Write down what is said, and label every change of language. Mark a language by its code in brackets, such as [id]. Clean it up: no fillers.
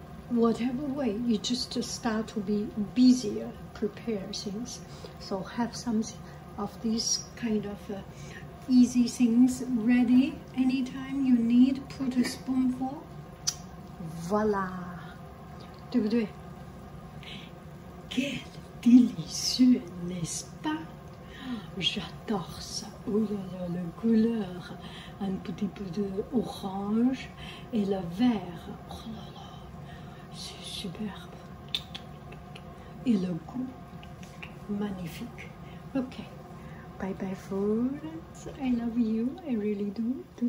[en] Whatever way, you just start to be busier, prepare things. So have some of these kind of easy things ready anytime you need, put a spoonful, voila, [zh] 对不对? [fr] Quel délicieux, n'est-ce pas? J'adore ça, oh là là, la couleur, un petit peu d'orange et le vert, oh là là, c'est superbe, et le goût, magnifique, ok. [en] Bye bye friends, I love you, I really do.